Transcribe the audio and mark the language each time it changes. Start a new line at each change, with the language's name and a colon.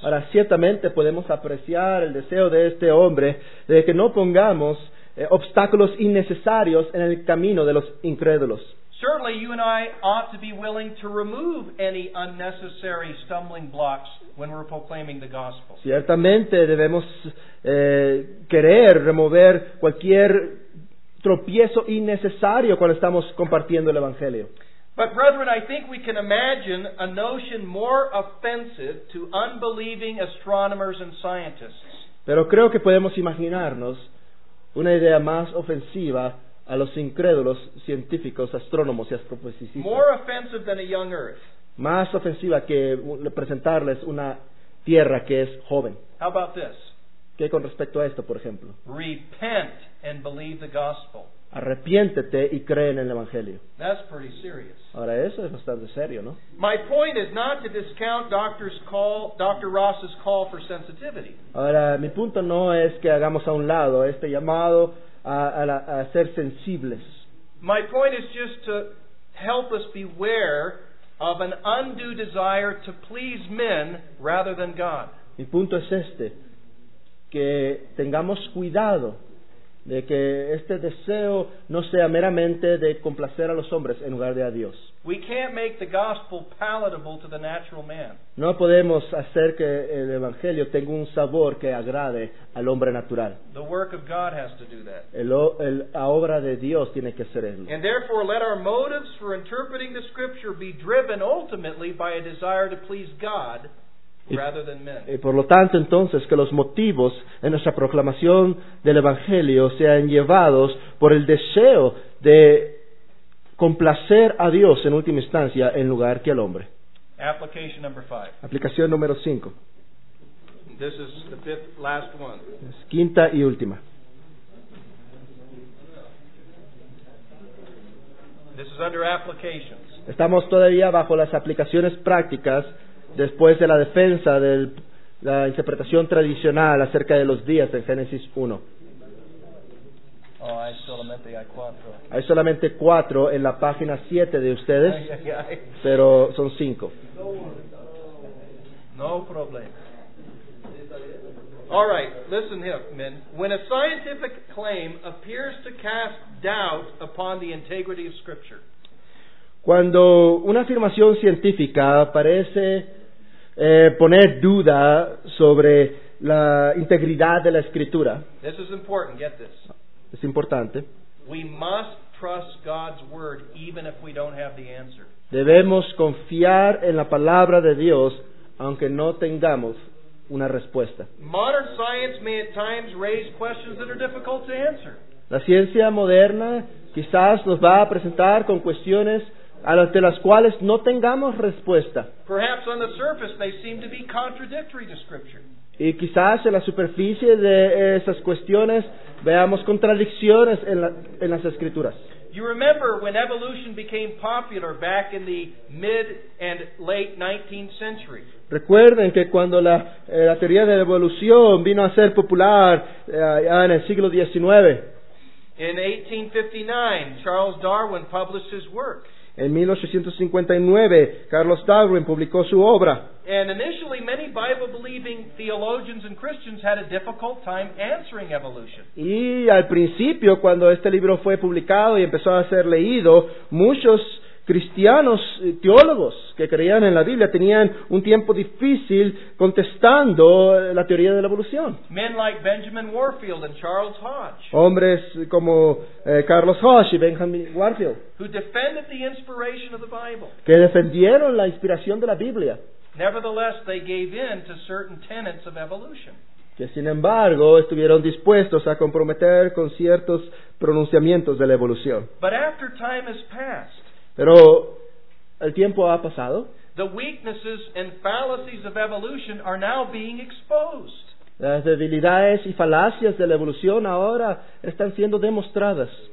Spanish: Ahora ciertamente podemos apreciar el deseo de este hombre de que no pongamos obstáculos innecesarios en el camino de los incrédulos.
English: Certainly you and I ought to be willing to remove any unnecessary stumbling blocks when we're proclaiming the gospel.
Spanish: Ciertamente debemos querer remover cualquier tropiezo innecesario cuando estamos compartiendo el evangelio.
English: But brethren, I think we can imagine a notion more offensive to unbelieving astronomers and scientists.
Spanish: Pero creo que podemos imaginarnos una idea más ofensiva a los incrédulos científicos, astrónomos y astrofísicos.
English: More offensive than a young earth.
Spanish: Más ofensiva que presentarles una tierra que es joven.
English: How about this?
Spanish: ¿Qué con respecto a esto, por ejemplo?
English: Repent and believe the gospel.
Spanish: Arrepiéntete y cree en el evangelio.
English: That's pretty serious.
Spanish: Ahora eso es bastante serio, ¿no?
English: My point is not to discount Dr. Ross's call for sensitivity.
Spanish: Ahora mi punto no es que hagamos a un lado este llamado a ser sensibles.
English: My point is just to help us beware of an undue desire to please men rather than God.
Spanish: Mi punto es este, que tengamos cuidado de que este deseo no sea meramente de complacer a los hombres en lugar de a Dios.
English: We can't make the gospel palatable to the natural man.
Spanish: No podemos hacer que el evangelio tenga un sabor que agrade al hombre natural.
English: The work of God has to do that.
Spanish: La obra de Dios tiene que hacerlo.
English: And therefore let our motives for interpreting the scripture be driven ultimately by a desire to please God rather than men.
Spanish: Y por lo tanto entonces que los motivos en nuestra proclamación del evangelio sean llevados por el deseo de complacer a Dios en última instancia en lugar que al hombre.
English: Application number five.
Spanish: Aplicación número 5.
English: This is the fifth, last one.
Spanish: Es quinta y última.
English: This is under applications.
Spanish: Estamos todavía bajo las aplicaciones prácticas después de la defensa de la interpretación tradicional acerca de los días en Génesis 1. Oh, hay cuatro. Hay solamente cuatro en la página 7 de ustedes, pero son 5.
English: No problem. All right, listen here, men. When a scientific claim appears to cast doubt upon the integrity of Scripture.
Spanish: Cuando una afirmación científica parece poner duda sobre la integridad de la escritura.
English: This is important, get this.
Spanish: Es importante.
English: We must trust God's word even if we don't have the answer.
Spanish: Debemos confiar en la palabra de Dios aunque no tengamos una respuesta.
English: Modern science may at times raise questions that are difficult to answer.
Spanish: La ciencia moderna quizás nos va a presentar con cuestiones ante las cuales no tengamos respuesta.
English: Perhaps on the surface they seem to be contradictory to Scripture.
Spanish: Y quizás en la superficie de esas cuestiones veamos contradicciones en las Escrituras.
English: You remember when evolution became popular back in the mid and late 19th century.
Spanish: Recuerden que cuando la teoría de la evolución vino a ser popular ya en el siglo XIX.
English: In 1859, Charles Darwin published his work.
Spanish: En 1859, Carlos Darwin publicó su obra.
English: And initially, many Bible-believing theologians and Christians had a difficult time answering evolution.
Spanish: Y al principio, cuando este libro fue publicado y empezó a ser leído, muchos cristianos teólogos que creían en la Biblia tenían un tiempo difícil contestando la teoría de la evolución.
English: Men like Benjamin Warfield and Charles Hodge.
Spanish: Hombres como Carlos Hodge y Benjamin Warfield.
English: Who defended the inspiration of the Bible.
Spanish: Que defendieron la inspiración de la Biblia.
English: Nevertheless, they gave in to certain tenets of evolution.
Spanish: Que sin embargo estuvieron dispuestos a comprometer con ciertos pronunciamientos de la evolución.
English: But after time has passed,
Spanish: pero el tiempo ha pasado.
English: The weaknesses and fallacies of evolution are now being exposed.
Spanish: Las debilidades y falacias de la evolución ahora están siendo demostradas.